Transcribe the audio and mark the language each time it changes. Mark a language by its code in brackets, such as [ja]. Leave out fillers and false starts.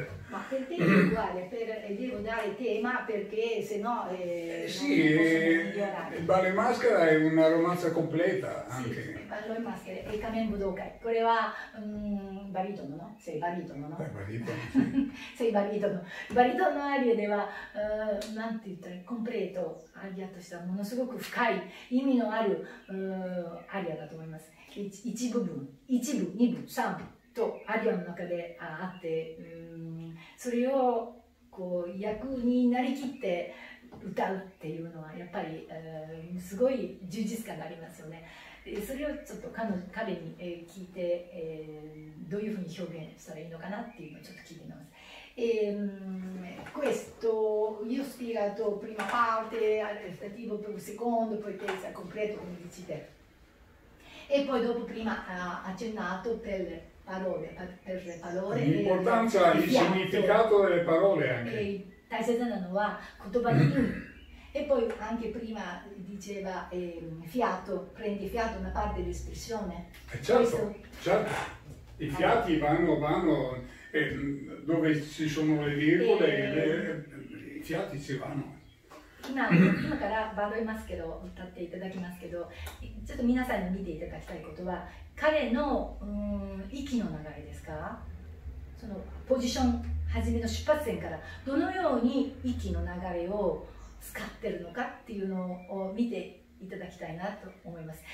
[it] ma per te è uguale, devo dare tema perché se no sì, il ballo in maschera è una romanza completa anche. Sì, il ballo in maschera è il [ja] kamen budokai, [it] quello è baritono, no? Sei baritono, no? Baritono, sì. Sei baritono. Il baritono aria deve, non ti dire, completo, [ja] aria としては ものすごく深い意味のあるアリアだと思います。一部分、一部、二部、三部。とアリアの中であって、それをこう役になりきって歌うっていうのはやっぱり、すごい充実感がありますよね。それをちょっと彼に聞いて、どういうふうに表現したらいいのかなっていうのをちょっと聞いてみます。 [it] Questo io ho spiegato prima parte, alternativo per un secondo, poi terza concreto come dici te. E poi dopo prima ha accennato per le parole, per le parole. L'importanza, il significato delle parole anche. [ja] Taisetsu na no wa kotoba no imi. [it] E poi anche prima diceva fiato, prendi fiato una parte dell'espressione. Certo. I fiati vanno. Dove ci sono le virgole, i fiati ci vanno. [ja] Prima から笑いますけど、歌っていただきますけど、ちょっと皆さんに見ていただきたいことは、彼の息の流れですか、そのポジション、はじめの出発点から、どのように息の流れを使ってるのかっていうのを見ていただきたいなと思います。